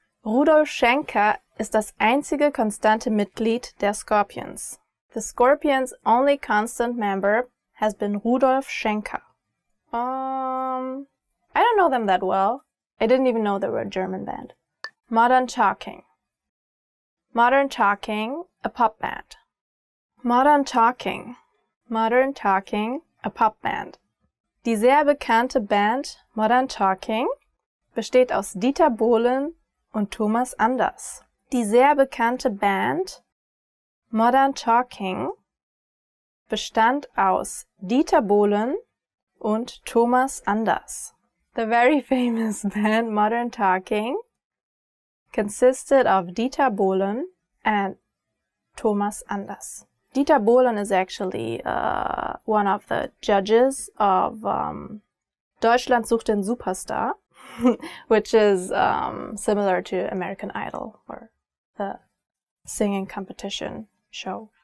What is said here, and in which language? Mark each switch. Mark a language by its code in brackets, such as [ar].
[de] Rudolf Schenker ist das einzige konstante Mitglied der Scorpions. [en] The Scorpions' only constant member has been Rudolf Schenker. I don't know them that well. I didn't even know they were a German band. Modern Talking, a pop band. Modern Talking, a pop band. [de] Die sehr bekannte Band Modern Talking besteht aus Dieter Bohlen und Thomas Anders. Die sehr bekannte Band Modern Talking bestand aus Dieter Bohlen und Thomas Anders. [en] The very famous band Modern Talking consisted of Dieter Bohlen and Thomas Anders. Dieter Bohlen is actually one of the judges of Deutschland sucht den Superstar, which is similar to American Idol or the singing competition show.